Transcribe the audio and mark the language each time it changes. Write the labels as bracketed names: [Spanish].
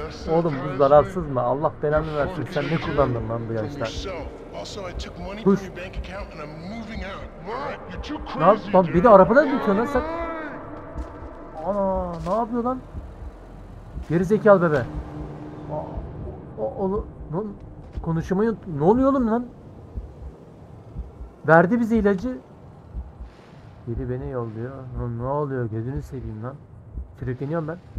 [Turkish] Oğlum bu zararsız mı? Allah belanı versin. Sen ne kullandın lan bu yaşta? [English] Also I took money from your bank account and I'm moving out. What? You're too crazy. [Turkish] Lan bak bir de arabada gidiyorsun lan sen. Ana ne yapıyor lan? Geri zekalı bebe. Oğlum konuşmayı ne oluyor oğlum lan? Verdi bize ilacı. Biri beni yolluyor. Lan ne oluyor? Gözünü seveyim lan. Trikiniyorum ben.